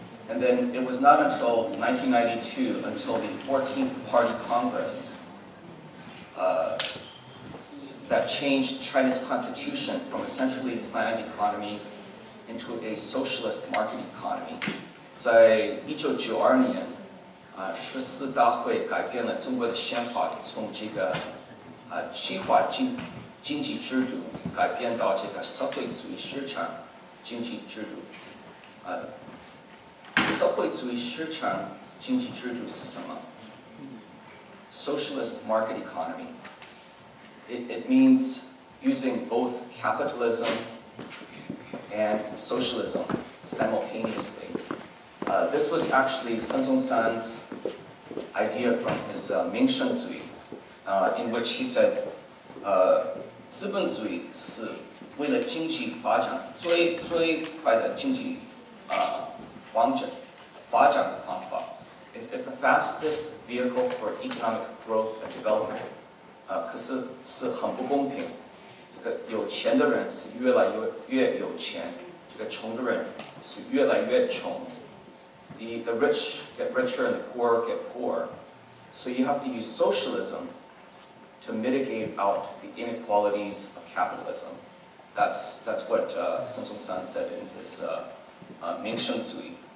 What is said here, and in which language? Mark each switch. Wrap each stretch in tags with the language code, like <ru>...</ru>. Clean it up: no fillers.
<en>And then it was not until 1992, until the 14th Party Congress, that changed China's constitution from a centrally planned economy into a socialist market economy.</en> <zh>在1992年，十四大会改变了中国的宪法，从这个计划经济制度改变到这个社会主义市场经济制度。社会主义市场经济制度是什么 ？</zh> <en>Socialist market economy. It means using both capitalism and socialism simultaneously. This was actually Sun Zhongshan's idea from his Ming Sheng Zui, in which he said,</en> <zh>资本主义是为了经济发展最快的经济发展的方法。</zh> <en>It's the fastest vehicle for economic growth and development.</en> <zh>可是是很不公平。这个有钱的人是越来越有钱，这个穷的人是越来越穷。</zh> <en>The rich get richer and the poor get poorer. So you have to use socialism to mitigate out the inequalities of capitalism. That's what Sun Zhongshan said in his Ming Sheng Zui.</en>